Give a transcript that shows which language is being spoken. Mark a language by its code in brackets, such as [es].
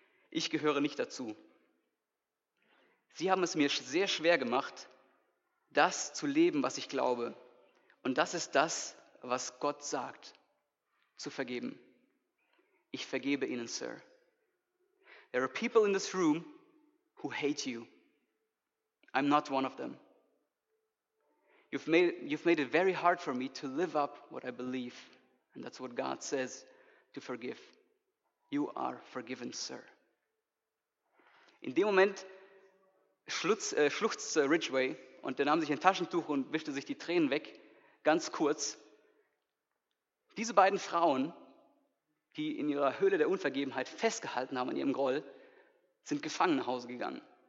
[de] Ich gehöre nicht dazu. Sie haben es mir sehr schwer gemacht, das zu leben, was ich glaube. Und das ist das, was Gott sagt, zu vergeben. Ich vergebe Ihnen, Sir. [en] There are people in this room who hate you. I'm not one of them. You've made it very hard for me to live up what I believe. And that's what God says, to forgive. You are forgiven, Sir. [de] In dem Moment schluchzte Ridgway und er nahm sich ein Taschentuch und wischte sich die Tränen weg, ganz kurz. Diese beiden Frauen, die in ihrer Höhle der Unvergebenheit festgehalten haben an ihrem Groll, sind gefangen nach Hause gegangen.